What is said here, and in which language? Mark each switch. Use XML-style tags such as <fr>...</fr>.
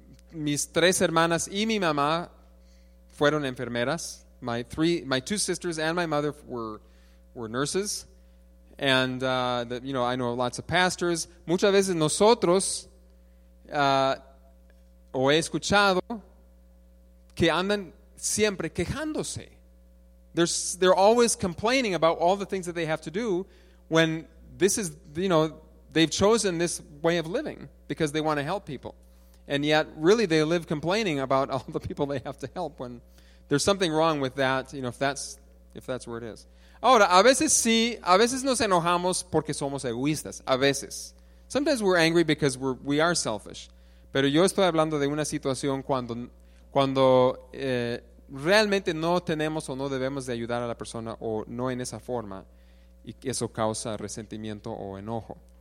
<es>Mis tres hermanas y mi mamá fueron enfermeras.</es> <en>My two sisters and my mother were nurses. And, you know, I know lots of pastors.</en> <es>Muchas veces nosotros, o he escuchado, que andan siempre quejándose.</es> <en>They're always complaining about all the things that they have to do when this is, you know, they've chosen this way of living because they want to help people. And yet, really, they live complaining about all the people they have to help when there's something wrong with that, you know, if that's where it is.</en> <es>Ahora, a veces sí, a veces nos enojamos porque somos egoístas, a veces.</es> <en>Sometimes we're angry because we are selfish.</en> <es>Pero yo estoy hablando de una situación cuando realmente no tenemos o no debemos de ayudar a la persona o no en esa forma y eso causa resentimiento o enojo.</es>